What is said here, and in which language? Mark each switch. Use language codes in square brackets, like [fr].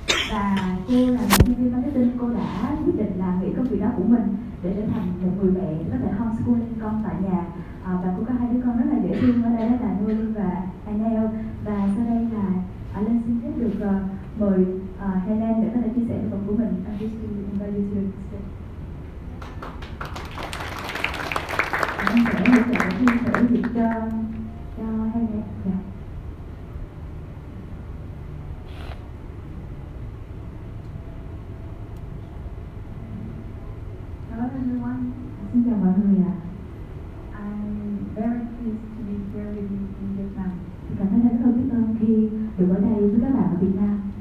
[vi] Và cô là một nhân viên marketing, cô đã quyết định là nghỉ công việc đó của mình để trở thành một người mẹ có thể homeschooling con tại nhà. Và cô có hai đứa con rất là dễ thương, ở đây đó là Nui và Anel. Và sau đây là Alan xin phép được mời Helen để có thể chia sẻ phần của mình. [en] I'm just going to invite you to sit. Hello everyone. [vi] Xin chào mọi người ạ. [en] I'm very pleased to be here with you in Vietnam. [vi] Cảm thấy rất là biết ơn khi được ở đây với các bạn ở Việt Nam.